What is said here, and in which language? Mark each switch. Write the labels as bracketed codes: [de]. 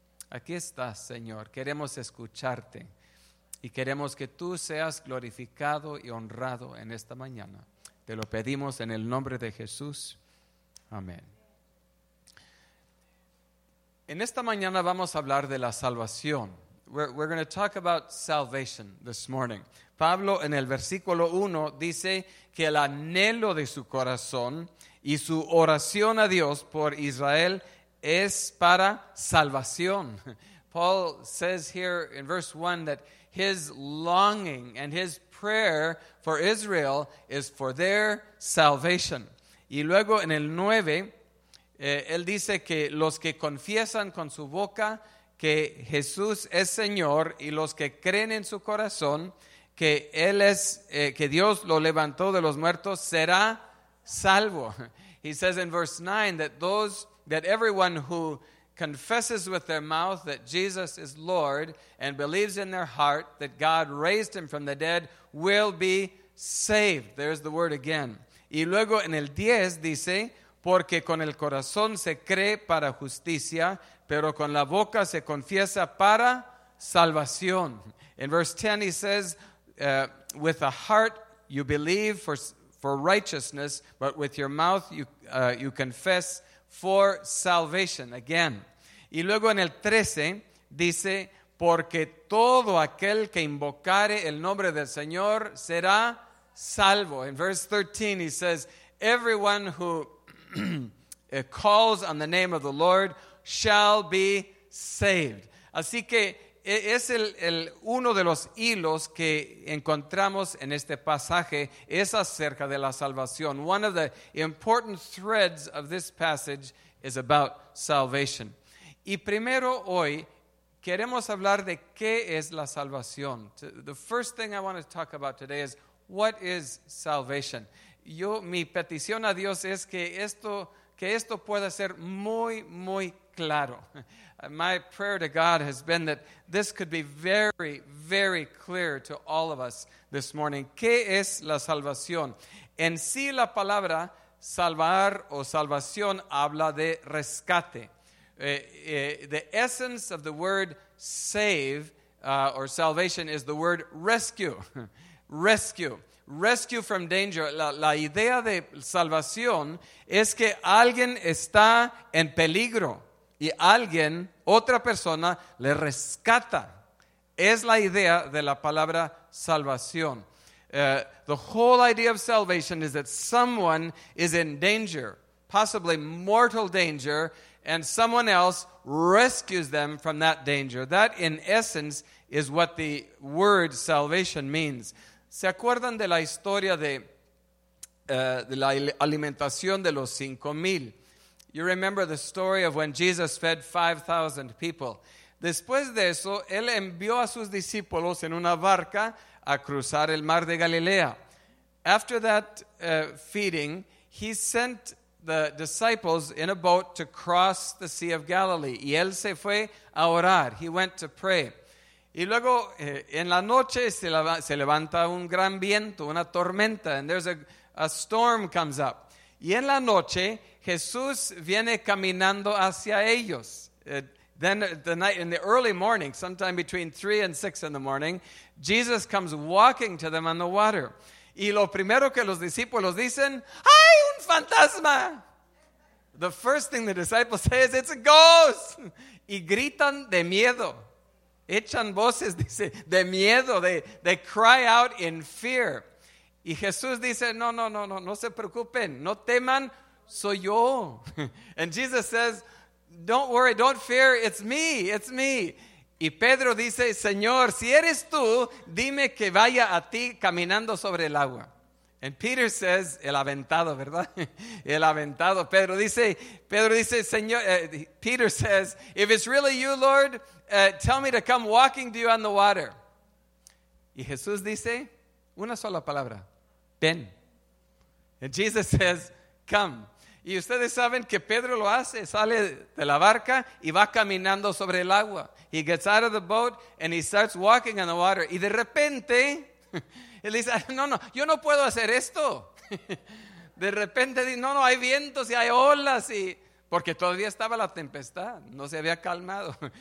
[es] Aquí estás, Señor. Queremos escucharte y queremos que tú seas glorificado y honrado en esta mañana. Te lo pedimos en el nombre de Jesús. Amén. En esta mañana vamos a hablar de la salvación. [en] We're going to talk about salvation this morning. [es] Pablo en el versículo 1 dice que el anhelo de su corazón y su oración a Dios por Israel es para salvación. [en] Paul says here in verse 1 that his longing and his prayer for Israel is for their salvation. [es] Y luego en el 9, él dice que los que confiesan con su boca que Jesús es Señor y los que creen en su corazón que él es que Dios lo levantó de los muertos será salvo. [en] He says in verse 9 that those that everyone who confesses with their mouth that Jesus is Lord and believes in their heart that God raised him from the dead will be saved. There's the word again. [es] Y luego en el 10 dice, porque con el corazón se cree para justicia, pero con la boca se confiesa para salvación. [en] In verse 10 he says, with the heart you believe for righteousness, but with your mouth you confess for salvation. Again. [es] Y luego en el 13 dice, porque todo aquel que invocare el nombre del Señor será salvo. [en] In verse 13 he says, everyone who calls on the name of the Lord shall be saved. [es] Así que es el uno de los hilos que encontramos en este pasaje es acerca de la salvación. [en] One of the important threads of this passage is about salvation. [es] Y primero hoy queremos hablar de qué es la salvación. [en] The first thing I want to talk about today is what is salvation. [es] Yo mi petición a Dios es que esto pueda ser muy muy claro. [en] My prayer to God has been that this could be very, very clear to all of us this morning. [es] ¿Qué es la salvación? En sí, la palabra salvar o salvación habla de rescate. [en] The essence of the word save or salvation is the word rescue. Rescue. Rescue from danger. [es] La idea de salvación es que alguien está en peligro. Y alguien, otra persona, le rescata. Es la idea de la palabra salvación. [en] The whole idea of salvation is that someone is in danger, possibly mortal danger, and someone else rescues them from that danger. That, in essence, is what the word salvation means. [es] ¿Se acuerdan de la historia de la alimentación de los 5,000? [en] You remember the story of when Jesus fed 5,000 people. [es] Después de eso, él envió a sus discípulos en una barca a cruzar el mar de Galilea. [en] After that feeding, he sent the disciples in a boat to cross the Sea of Galilee. [es] Y él se fue a orar. [en] He went to pray. [es] Y luego, en la noche, se levanta un gran viento, una tormenta. [en] And there's a storm comes up. [es] Y en la noche, Jesús viene caminando hacia ellos. [en] Then the night, in the early morning, sometime between 3 and 6 in the morning, Jesus comes walking to them on the water. [es] Y lo primero que los discípulos dicen, ¡ay, un fantasma! [en] The first thing the disciples say is, it's a ghost! [es] Y gritan de miedo. Echan voces, dice, de miedo. [en] They cry out in fear. [es] Y Jesús dice, no se preocupen, no teman, soy yo. [en] And Jesus says, don't worry, don't fear, it's me. [es] Y Pedro dice, Señor, si eres tú, dime que vaya a ti caminando sobre el agua. [en] And Peter says, [es] el aventado, ¿verdad? El aventado. Pedro dice, Señor, [en] Peter says, if it's really you, Lord, tell me to come walking to you on the water. [es] Y Jesús dice, una sola palabra. Ven. [en] And Jesus says, come. [es] Y ustedes saben que Pedro lo hace, sale de la barca y va caminando sobre el agua. [en] He gets out of the boat and he starts walking on the water. [es] Y de repente, él dice, no, yo no puedo hacer esto. De repente dice, no, hay vientos y hay olas. Y porque todavía estaba la tempestad, no se había calmado.